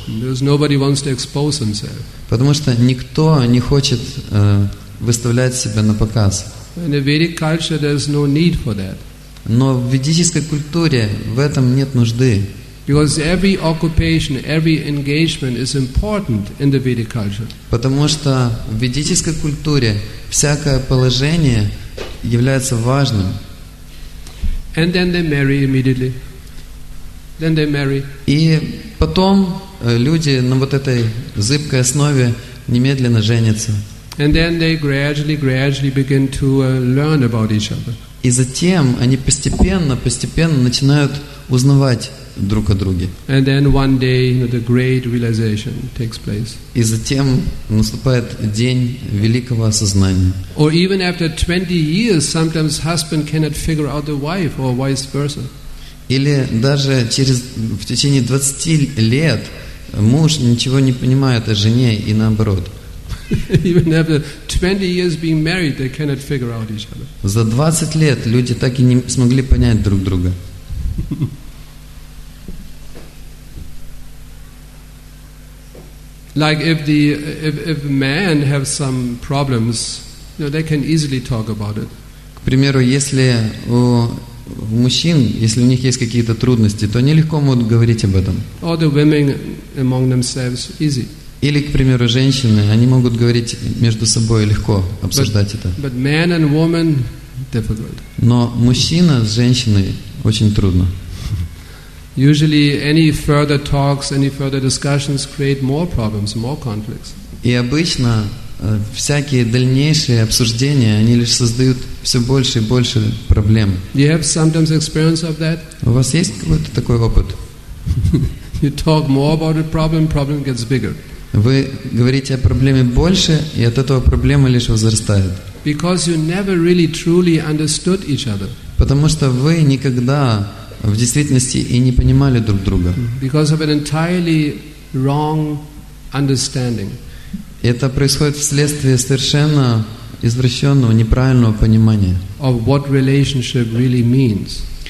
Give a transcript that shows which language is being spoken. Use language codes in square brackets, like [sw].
[en] Because nobody wants to expose himself. [ru] Потому что никто не хочет выставлять себя на показ. [en] In the Vedic culture, there is no need for that. [ru] Но в ведической культуре в этом нет нужды. [en] Because every occupation, every engagement is important in the Vedic culture. [ru] Потому что в ведической культуре всякое положение является важным. [en] And then they marry immediately. Then they marry. [ru] И потом люди на вот этой зыбкой основе немедленно женятся. [en] And then they gradually begin to learn about each other. [ru] И затем они постепенно начинают узнавать друг о друге. [en] And then one day, you know, the great realization takes place. [ru] И затем наступает день великого осознания. [en] Or even after 20 years, sometimes husband cannot figure out the wife or vice versa. [ru] Или даже в течение 20 лет муж ничего не понимает о жене и наоборот. [en] Even after 20 years being married, they cannot figure out each other. [ru] За 20 лет люди так и не смогли понять друг друга. [en] Like if men have some problems, you know, they can easily talk about it. [ru] К примеру, если у мужчин, если у них есть какие-то трудности, то они легко могут говорить об этом. [en] Or the women among themselves, easy. [ru] Или, к примеру, женщины, они могут говорить между собой легко, обсуждать это. [en] But man and woman, difficult. [ru] Но мужчина с женщиной очень трудно. [en] Usually any further talks, any further discussions create more problems, more conflicts. [ru] И обычно всякие дальнейшие обсуждения, они лишь создают все больше и больше проблем. [en] You have sometimes experience of that? [ru] У вас есть какой-то такой опыт? [en] You talk more about a problem, problem gets bigger. [ru] Вы говорите о проблеме больше, и от этого проблема лишь возрастает. [en] Because you never really truly understood each other. [ru] Потому что вы никогда в действительности и не понимали друг друга. [en] Because of an entirely wrong understanding. [ru] Это происходит вследствие совершенно извращенного, неправильного понимания. [en] Of what relationship really means.